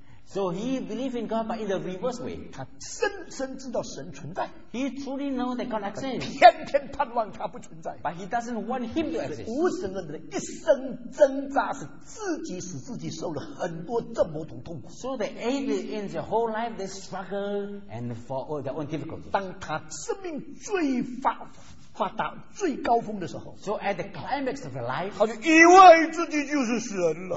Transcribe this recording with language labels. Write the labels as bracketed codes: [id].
[en] So he believes in God, but in the reverse way. [zh] 他深深知道神存在。 [en] He truly knows that God exists. [zh] 偏偏盼望他不存在。 [en] But he doesn't want him to exist. [zh] 无神论者一生挣扎，是自己使自己受了很多折磨和痛苦。 [en] So the atheist in their whole life they struggle and for all their own difficulties. [zh] 当他生命最发达、最高峰的时候 [en] ，So at the climax of your life， [zh] 他就以为自己就是神了。